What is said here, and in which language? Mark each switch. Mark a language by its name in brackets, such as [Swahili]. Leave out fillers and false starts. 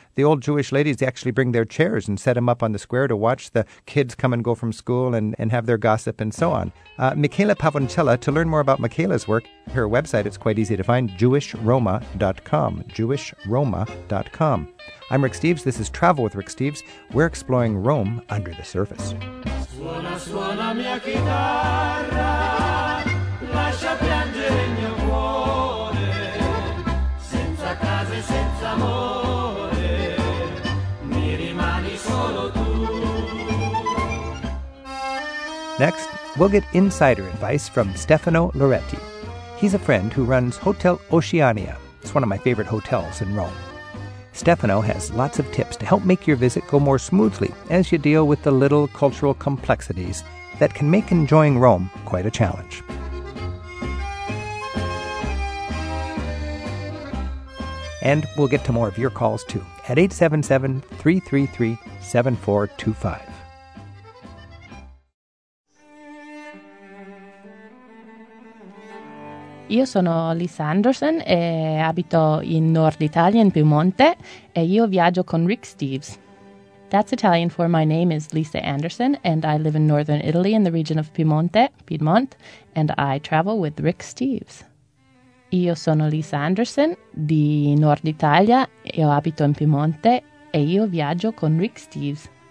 [English] The old Jewish ladies actually bring their chairs and set them up on the square to watch the kids come and go from school and have their gossip and so on. Michaela Pavoncella, to learn more about Michaela's work, her website, it's quite easy to find, jewishroma.com, jewishroma.com. I'm Rick Steves. This is Travel with Rick Steves. We're exploring Rome under the surface. [Italian] Suona, suona mia chitarra, lascia piangere il mio cuore, senza casa e senza amore, mi rimani solo tu. [English] Next, we'll get insider advice from Stefano Loretti. He's a friend who runs Hotel Oceania. It's one of my favorite hotels in Rome. Stefano has lots of tips to help make your visit go more smoothly as you deal with the little cultural complexities that can make enjoying Rome quite a challenge. And we'll get to more of your calls, too, at 877-333-7425. [Italian] Io sono Liz Anderson e abito in Nord Italia, in Piemonte, e io viaggio con Rick Steves. [English] That's Italian for my name is Lisa Anderson, and I live in Northern Italy in the region of Piemonte, Piedmont, and I travel with Rick Steves. [Italian] Io sono Liz Anderson di Nord Italia, io abito in Piemonte, e io viaggio con Rick Steves.